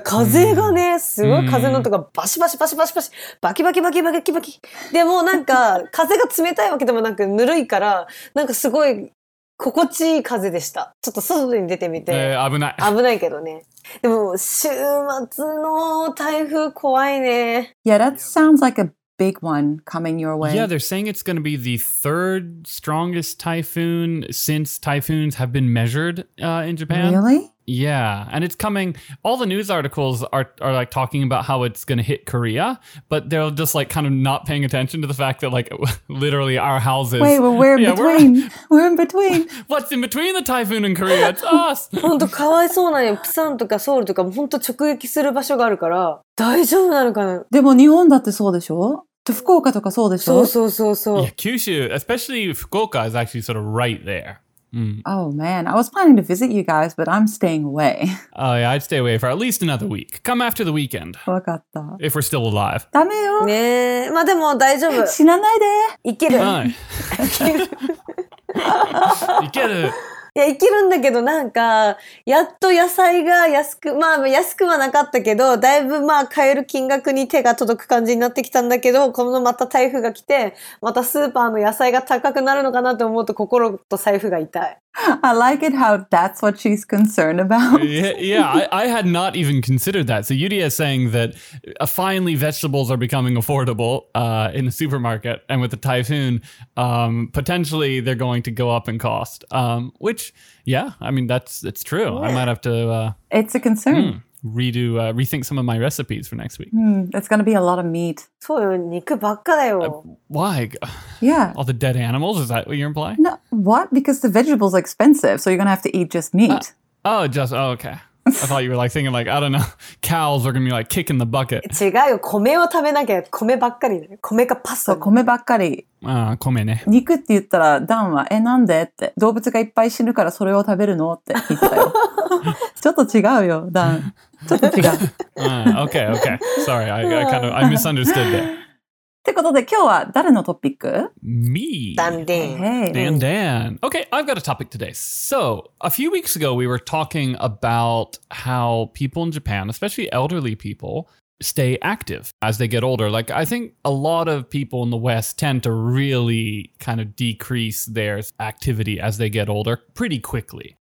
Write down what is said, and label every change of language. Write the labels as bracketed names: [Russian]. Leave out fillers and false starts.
[Japanese] 風がね、すごい風の音がバシバシバシバシバシ、バキバキバキバキバキ。でもなんか、風が冷たいわけでもなく、ぬるいから、なんかすごい心地いい風でした。ちょっと外に出てみて。危ない。危ないけどね。でも週末の台風怖いね。 [English] Yeah, that sounds like a big one coming your way. Yeah, they're saying it's going to be the third strongest typhoon since typhoons have been measured in Japan. Really? Yeah, and it's coming. All the news articles are like talking about how it's going to hit Korea, but they're just like kind of not paying attention to the fact that like literally our houses. Wait, well, we're in between. We're in between. What's in between the typhoon and Korea? It's us. [Japanese] 本当かわいそうなのよ。プサンとかソウルとかも本当直撃する場所があるから大丈夫なのかな。でも日本だってそうでしょ。福岡とかそうでしょ。そうそうそうそう。 [English] Yeah, 九州、especially 福岡 is actually sort of right there.、 Mm. Oh man, I was planning to visit you guys, but I'm staying away. Oh yeah, I'd stay away for at least another week. Come after the weekend. [Japanese] わかった。 [English] If we're still alive. [Japanese] ダメよ。ねえ、まあでも大丈夫。死なないで。生きる。はい。生きる。いや生きるんだけどなんかやっと野菜が安くまあ安くはなかったけどだいぶまあ買える金額に手が届く感じになってきたんだけどこのまた台風が来てまたスーパーの野菜が高くなるのかなと思うと心と財布が痛い。 [English] I like it how that's what she's concerned about. I had not even considered that. So Yuria is saying that finally vegetables are becoming affordable in the supermarket and with the typhoon, potentially they're going to go up in cost. Which, yeah, I mean, it's true. Yeah. I might have to... it's a concern. Rethink some of my recipes for next week. It's going to be a lot of meat. [Japanese] そうよ、肉ばっかだよ。 [English] Why? Yeah. All the dead animals? Is that what you're implying? No, what? Because the vegetables are expensive, so you're going to have to eat just meat. Okay. I thought you were like thinking like, I don't know, cows are going to be like kicking the bucket. [Japanese] 違うよ、米を食べなきゃ、米ばっかりだよ。米かパスタ。そう、米ばっかり。ああ、米ね。肉って言ったら、ダンは、なんでって。動物がいっぱい死ぬからそれを食べるのって言ったよ。ちょっと違うよ、ダン。ちょっと違う。 [English] okay, okay. Sorry, I misunderstood there. [Japanese] ってことで、今日は誰のトピック? [English] Me. Dan. Okay, I've got a topic today. So, a few weeks ago, we were talking about how people in Japan, especially elderly people, stay active as they get older. Like, I think a lot of people in the West tend to really kind of decrease their activity as they get older pretty quickly.